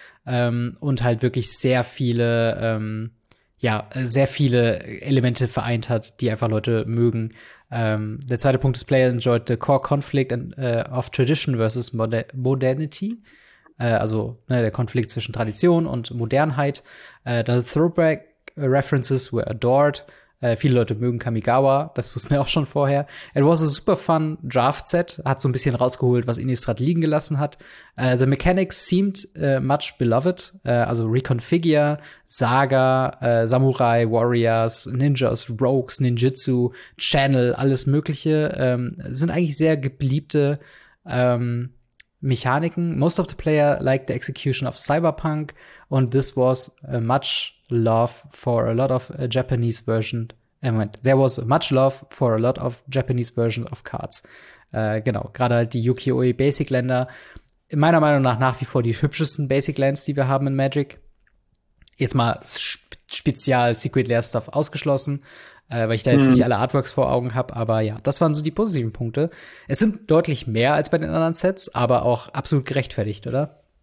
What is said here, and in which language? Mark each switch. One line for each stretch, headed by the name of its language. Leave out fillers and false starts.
German: Und halt wirklich sehr viele, sehr viele Elemente vereint hat, die einfach Leute mögen. Der zweite Punkt ist,
English: Player enjoyed the core conflict and, of tradition versus modernity.
German: Also ne, der Konflikt zwischen Tradition und Modernheit.
English: The throwback references were adored.
German: Viele Leute mögen Kamigawa, das wussten wir auch schon vorher.
English: It was a super fun draft set,
German: hat so ein bisschen rausgeholt, was Innistrad liegen gelassen hat.
English: The mechanics seemed much beloved, also Reconfigure, Saga, Samurai, Warriors, Ninjas, Rogues, Ninjutsu, Channel,
German: alles mögliche.
English: Sind eigentlich sehr gebliebte Mechaniken. Most of the player liked the execution of Cyberpunk und this was a much love for a lot of Japanese version. There was much love for a lot of Japanese version of cards.
German: Genau, gerade halt die Yukioi Basic Länder. Meiner Meinung nach wie vor die hübschesten Basic Lands, die wir haben in Magic. Jetzt mal spezial Secret Lair Stuff ausgeschlossen, weil ich da jetzt nicht alle Artworks vor Augen habe. Aber ja, das waren so die positiven Punkte. Es sind deutlich mehr als bei den anderen Sets, aber auch absolut gerechtfertigt, oder?